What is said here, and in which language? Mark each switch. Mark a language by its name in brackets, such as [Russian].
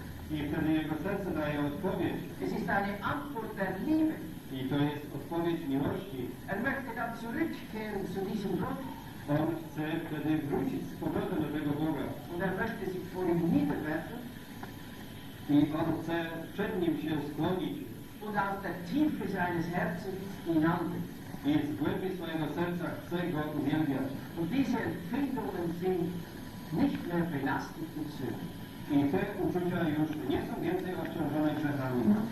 [Polish] I wtedy jego serce daje odpowiedź. [German] Es ist eine Antwort der Liebe. [Polish] I to jest odpowiedź miłości. [German] Er möchte dann zurückkehren zu diesem Gott. [Polish] On chce wtedy wrócić z powrotem do tego Boga. [German] Und er möchte sich vor ihm niederwerfen. [Polish] I on chce przed nim się skłonić. [German] Und aus der Tiefe seines Herzens ihn anbeten. [Polish] I z głębi swojego serca chce go uwielbiać. [German] Und diese Empfindungen sind nicht mehr belastet und zu. [Polish] I te uczucia już nie są więcej obciążone grzechami.